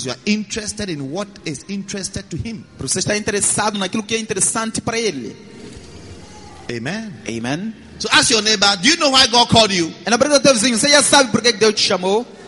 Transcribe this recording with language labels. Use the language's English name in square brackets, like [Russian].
[English] Because you are interested in what is interested to him. [Portuguese] Porque você está interessado naquilo que é interessante para ele. Amen. Amen. [English] So ask your neighbor, do you know why God called you? [Portuguese] E na pergunta do teu vizinho, você já sabe por que Deus te chamou?